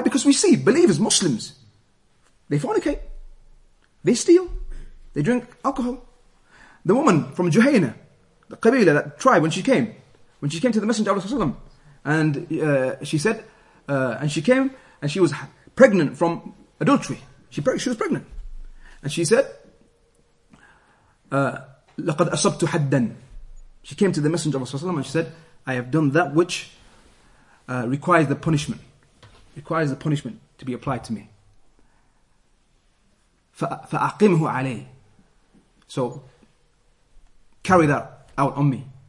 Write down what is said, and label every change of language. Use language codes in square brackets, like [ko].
[en] Because we see believers, Muslims, they fornicate, they steal, they drink alcohol. The woman from Juhayna, the Qabila, that tribe, when she came to the Messenger of Allah, and she was pregnant from adultery. She was pregnant. [ar] And she said, لقد أصبت حدا. [en] She came to the Messenger of Allah and she said, I have done that which requires the punishment to be applied to me. [ar] فأقمه علي. [en] So carry that out on me.